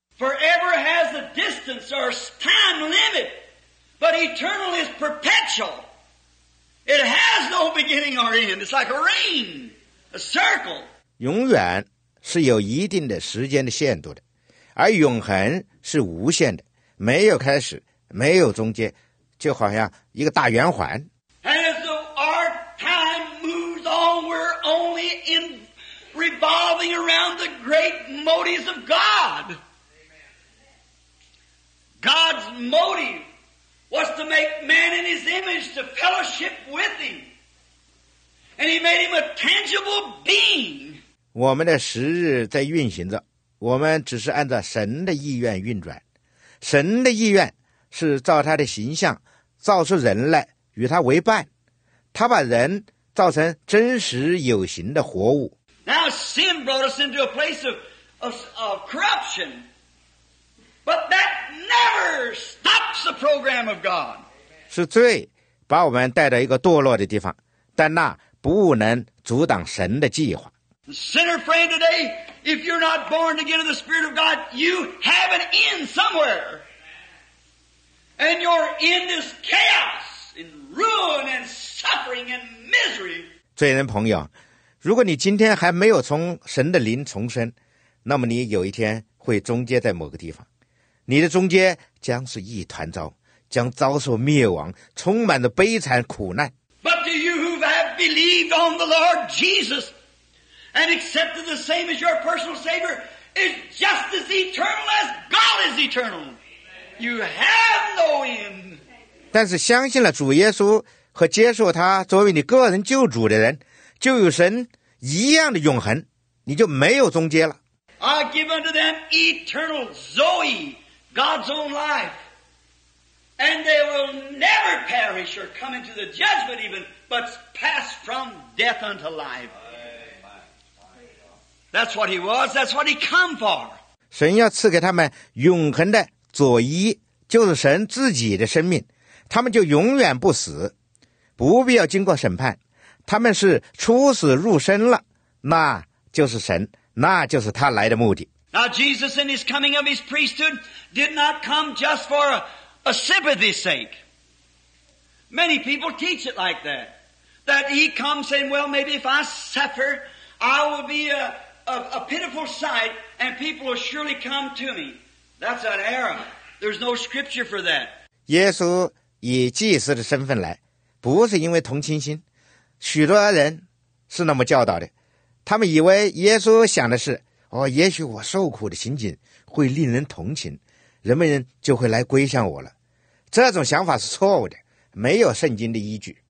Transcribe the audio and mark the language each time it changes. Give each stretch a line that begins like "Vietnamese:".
English: Forever has a distance or time limit. But eternal is perpetual. It has no beginning or end. It's like a ring, a circle.
Chinese: 永远是有一定的时间的限度的，而永恒是无限的，没有开始，没有中间，就好像一个大圆环。
English: As our time moves on, we're only in revolving around the great motives of God. God's motive. Was to make man in his image to fellowship with him. And he made him a tangible being.
Chinese: 我们的时日在运行着，我们只是按照神的意愿运转。神的意愿是照他的形象造出人来与他为伴。他把人造成真实有形的活物。
English: Now sin brought us into a place of corruption. But that never stops the program of God.
Chinese: 是罪把我们带到一个堕落的地方，但那不能阻挡神的计划。
English: Sinner friend today, if you're not born again of the Spirit of God, you have an end somewhere. And your end is chaos, and ruin, and suffering, and misery.
Chinese: 罪人朋友，如果你今天还没有从神的灵重生，那么你有一天会终结在某个地方。你的中间将是一团糟，将遭受灭亡，充满着悲惨苦难。
English: But to you who have believed on the Lord Jesus and accepted the same as your personal Savior is just as eternal as God is eternal. You have no end.
Chinese: 但是相信了主耶稣和接受他作为你个人救主的人，就有神一样的永恒，你就没有中间了。
English: I give unto them eternal Zoe. God's own life. And they will never perish or come into the judgment even, but pass from death unto life. That's what he was, that's what he come for.
Chinese: 神要赐给他们永恒的左衣，就是神自己的生命，他们就永远不死，不必要经过审判，他们是出死入生了，那就是神，那就是他来的目的。
English: Now Jesus in his coming of his priesthood did not come just for a sympathy's sake. Many people teach it like that. That he comes saying, well, maybe if I suffer, I will be a pitiful sight and people will surely come to me. That's an error. There's no scripture for that.
Chinese: 耶稣以祭司的身份来，不是因为同情心。许多人是那么教导的。他们以为耶稣想的是哦，也许我受苦的情景会令人同情，人们就会来归向我了。这种想法是错误的，没有圣经的依据。